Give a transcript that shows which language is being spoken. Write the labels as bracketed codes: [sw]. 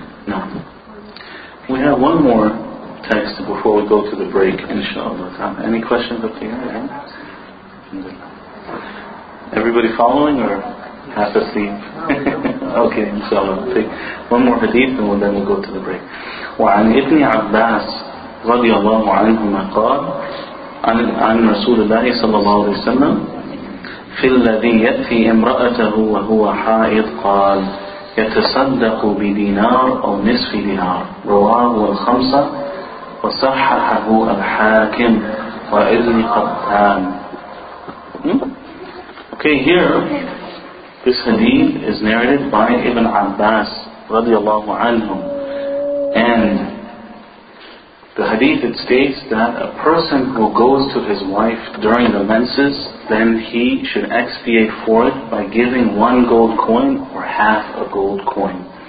[en] Now, we have one more text before we go to the break, inshallah. Any questions up here? Everybody following or half asleep? Okay, inshallah. I'll take one more hadith and then we'll go to the break. [ar] وعن ابن عباس رضي الله عنهما قال عن رسول الله صلى الله عليه وسلم في الذي يأتي امرأته وهو حائض قال يتصدق بدينار أو نصف دينار رواه الخمسة وصححه الحاكم وإذن قطان. [en] Okay, here this hadith is narrated by Ibn Abbas [ar] رضي الله عنه, [en] and the hadith, it states that a person who goes to his wife during the menses, then he should expiate for it by giving one gold coin or half a gold coin.